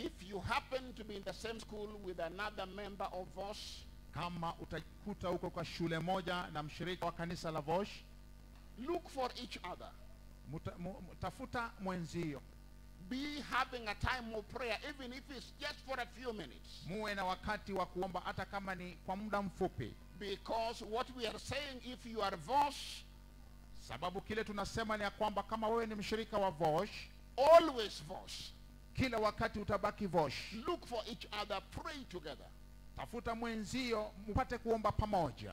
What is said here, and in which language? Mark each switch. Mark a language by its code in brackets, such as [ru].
[en] If you happen to be in the same school with another member of VOSH, [sw] kama utakuta uko kwa shule moja na mshirika wa kanisa la VOSH, [en] look for each other. [sw] Tafuta mwenzio. [en] Be having a time of prayer, even if it's just for a few minutes. [sw] Muwe na wakati wa kuomba hata kama ni kwa muda mfupi. [en] Because what we are saying, if you are VOSH, [sw] sababu kile tunasema ni ya kwamba kama wewe ni mshirika wa VOSH, [en] always VOSH. [sw] Kila wakati utabaki VOSH. [en] Look for each other, pray together. [sw] Tafuta mwenzio, mupate kuomba pamoja.